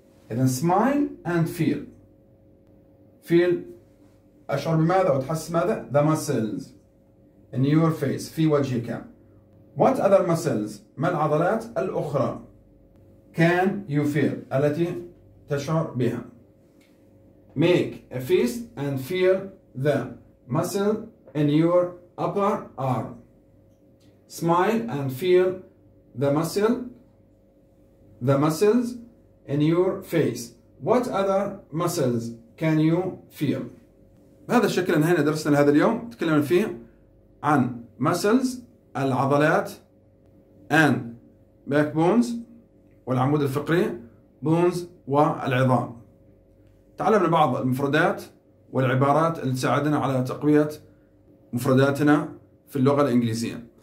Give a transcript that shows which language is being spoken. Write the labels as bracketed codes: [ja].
[en] إذا smile and feel. Feel [ar] أشعر بماذا وتحس ماذا؟ [en] The muscles in your face [ar] في وجهك. [en] What other muscles [ar] ما العضلات الأخرى [en] can you feel [ar] التي تشعر بها. [en] Make a fist and feel the muscle in your upper arm. Smile and feel the muscle, the muscles in your face. What other muscles can you feel. [ar] بهذا الشكل انهينا درسنا لهذا اليوم، تكلمنا فيه عن muscles العضلات [en] and backbones [ar] والعمود الفقري bones والعظام. تعلمنا بعض المفردات والعبارات اللي تساعدنا على تقوية مفرداتنا في اللغة الإنجليزية.